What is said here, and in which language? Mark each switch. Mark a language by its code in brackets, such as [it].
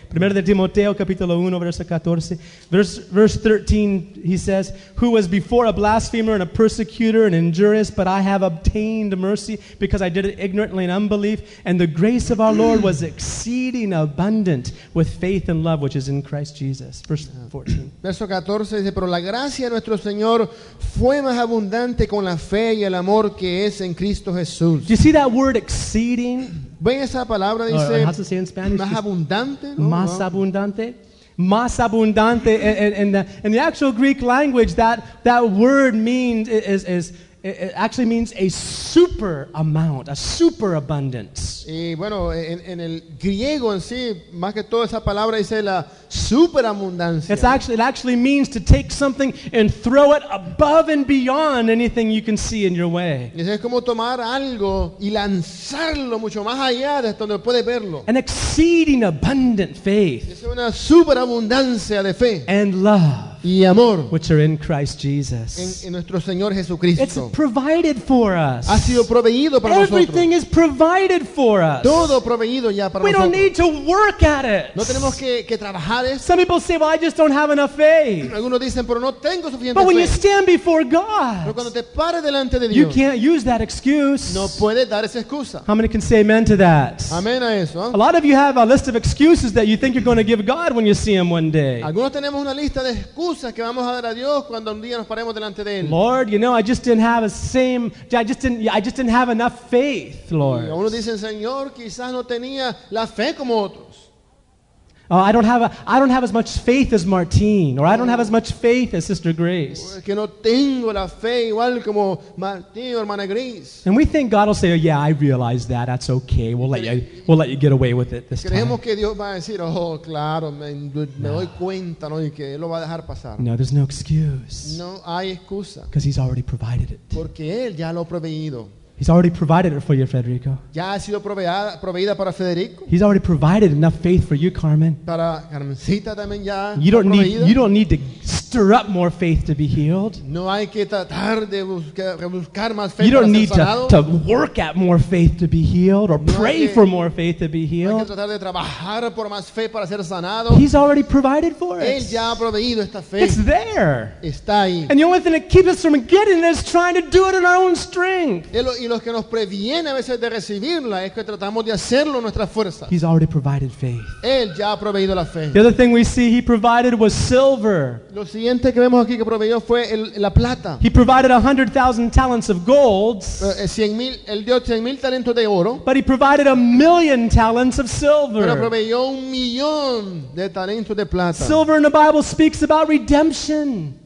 [es] Primero de Timoteo, capítulo 1, verso 14. [en] Verse 13, he says, who was before a blasphemer and a persecutor and injurious, but I have obtained mercy because I did it ignorantly in unbelief. And the grace of our Lord was exceeding abundant with faith and love, which is in Christ Jesus. Verse 14. [es] Verso 14 dice, pero la gracia de nuestro Señor fue más abundante con la fe y el amor que es en Cristo Jesús. [en] Do you see that word exceeding? [es] ¿Ven esa palabra dice [en] how to say in Spanish, [es] más abundante? No, más abundante. Más abundante. [en] In the actual Greek language, that word means is it actually means a super amount, a super abundance. [es] Y bueno, en el griego en sí, más que todo esa palabra dice la superabundancia. [en] It actually means to take something and throw it above and beyond anything you can see in your way. [es] Es como tomar algo y lanzarlo mucho más allá de donde puedes verlo. [en] An exceeding abundant faith. [es] Es una superabundancia de fe. [en] And love. [es] Y amor, [en] which are in Christ Jesus. [es] En nuestro Señor Jesucristo. [en] It's provided for us. [es] Ha sido proveído para [en] Everything Everything is provided for us. [es] Todo proveído ya para [en] we [es] nosotros. [en] We don't need to work at it. [es] No tenemos que trabajar esto. [en] Some people say, "Well, I just don't have enough faith." [es] Algunos dicen, pero no tengo suficiente fe. [en] But when you stand before God, [es] pero cuando te pares delante de Dios, [en] you can't use that excuse. [es] No puedes dar esa excusa. [en] How many can say amen to that? [es] Amén a eso. [en] A lot of you have a list of excuses that you think you're going to give God when you see Him one day. [es] Algunos tenemos una lista de excusas que vamos a dar a Dios cuando un día nos paremos delante de él. [en] Lord, you know, I just didn't have enough faith, Lord. [es] Y uno dice, Señor, quizás no tenía la fe como otros. [en] Oh, I don't have as much faith as Martín, or I don't have as much faith as Sister Grace. [es] Es que no tengo la fe igual como Martín o hermana Grace. [en] And we think God will say, oh, yeah, I realize that. That's okay. We'll let you get away with it this [es] creemos Que Dios va a decir, oh, claro, me doy cuenta, ¿no? Y que él lo va a dejar pasar. [en] No, there's no excuse. [es] No hay excusa. [en] Because He's already provided it. [es] Porque él ya lo ha proveído. [en] He's already provided it for you, Federico. [es] Ya ha sido proveída para Federico. [en] He's already provided enough faith for you, Carmen. [es] Para Carmencita también ya. [en] You don't need to stir up more faith to be healed. [es] No hay que tratar de buscar más fe. [en] You don't need to work at more faith to be healed or pray for more faith to be healed. [es] No hay que tratar de trabajar por más fe para ser sanado. [en] He's already provided for [es] us. Él ya ha proveído esta fe. [en] It's there. [es] Está ahí. [en] And the only thing that keeps us from getting it is trying to do it in our own strength. [es] Y los que nos previene a veces de recibirla es que tratamos de hacerlo en nuestra fuerza. [en] He's already provided faith. [es] Él ya ha proveído la fe. [en] The other thing we see he provided was silver. [es] Lo siguiente que vemos aquí que proveyó fue la plata. [en] He provided 100,000 talents of gold. [es] Él dio 100,000 talentos de oro. [en] But he provided 1,000,000 talents of silver. [es] Pero proveyó 1,000,000 de talentos de plata. [en] Silver in the Bible speaks about redemption.